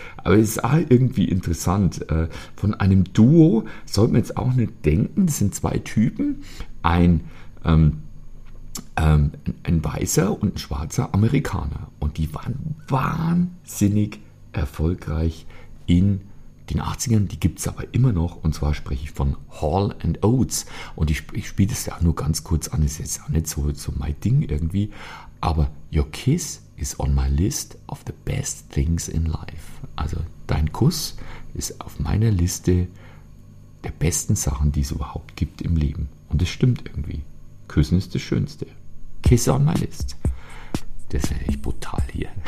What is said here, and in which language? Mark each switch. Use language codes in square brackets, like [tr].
[de] Aber es ist auch irgendwie interessant. Von einem Duo sollte man jetzt auch nicht denken, das sind zwei Typen, ein weißer und ein schwarzer Amerikaner. Und die waren wahnsinnig erfolgreich in den 80ern. Die gibt es aber immer noch. Und zwar spreche ich von Hall and Oates. Und ich spiele das ja nur ganz kurz an. Das ist jetzt auch nicht so mein Ding irgendwie. Aber [en] Your Kiss is on my list of the best things in life. [de] Also dein Kuss ist auf meiner Liste der besten Sachen, die es überhaupt gibt im Leben. Und das stimmt irgendwie. Küssen ist das Schönste. Kiss on my list. Das wäre echt brutal hier.